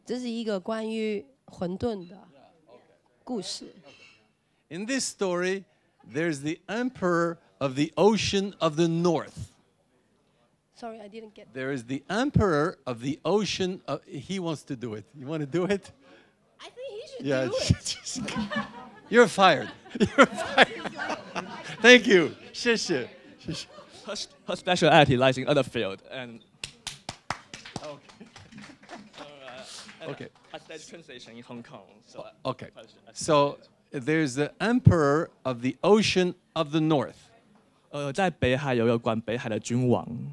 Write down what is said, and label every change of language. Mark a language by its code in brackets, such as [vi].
[zh] 这是一个关于混沌的故事. [en] In this story, there's the emperor of the ocean of the north. Sorry, I didn't get that. There is the emperor of the ocean. He wants to do it. You want to do it? I think he should do it. You're fired. You're fired. Thank you. [zh] 谢谢. [en] Her speciality lies in other field. And okay. And okay. I said translation in Hong Kong. So okay. So there's the emperor of the ocean of the north. [zh] 在北海有一个管北海的君王.